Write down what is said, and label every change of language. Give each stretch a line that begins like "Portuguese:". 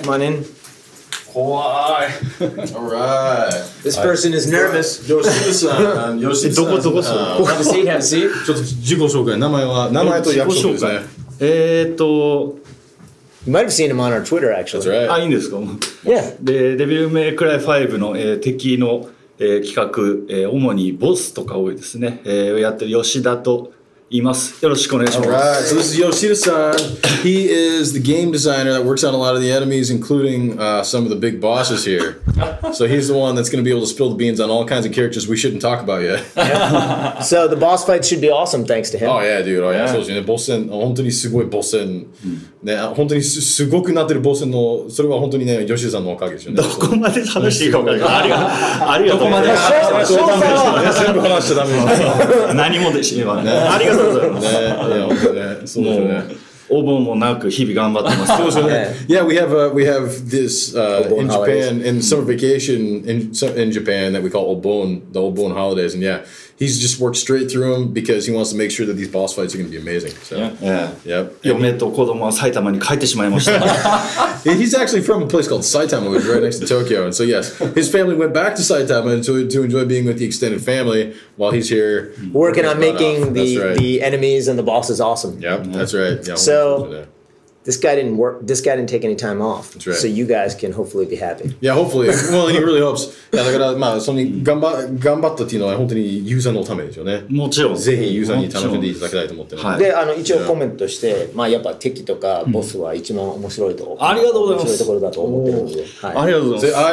English: Come on in. Alright. This person is nervous. Yoshi-san. Have a seat. You might have seen him on our Twitter, actually. That's right.
Japanese: あ、いいんですか?
English: Yeah.
Japanese: で、デビルメイクライ5の、敵の、企画、主にボスとか多いですね、やってる吉田と言います。よろしくお願いします。
English: All right. So this is Yoshida-san. He is the game designer that works on a lot of the enemies, including, some of the big bosses here. So he's the one that's going to be able to spill the beans on all kinds of characters we shouldn't talk about yet. So the boss fights should be awesome, thanks to him. Oh, yeah, dude. Oh, yeah.
Japanese: そうですね。ボス戦、本当にすごいボス戦。ね、本当にすごくなってるボス戦の、それは本当にね、ヨシダさんのおかげですよね。どこまで楽しいかも。ありがとう。ありがとう。どこまで話しちゃダメですよ。全部話しちゃダメですよ。何もできればね。ありがとうございます。ね、本当ね。そうですよね。お盆もなく日々頑張ってます。そうですね。
English: Yeah, we have, we have this, in Japan, in summer vacation in Japan that we call Obon, the Obon holidays. And yeah, he's just worked straight through them because he wants to make sure that these boss fights are going to be amazing. So, yeah. Yeah.
Japanese: 嫁と子供は埼玉に帰ってしまいました。
English: He's actually from a place called Saitama, which is right next to Tokyo. And so, yes, his family went back to Saitama to enjoy being with the extended family while he's here. Working on making the enemies and the bosses awesome. Yep, yeah. That's right. Yeah, so, this guy didn't take any time off. That's right. So you guys can hopefully be happy. Yeah, hopefully. Well, he really hopes.
Japanese: Yeah, だからまあ、その頑張ったっていうのは本当にユーザーのためですよね。もちろん。ぜひユーザーに楽しんでいただきたいと思ってます。で、あの、一応コメントして、まあ、やっぱ敵とかボスは一番面白いと。ありがとうございます。面白いところだと思ってるんで。はい。ありがとうございます。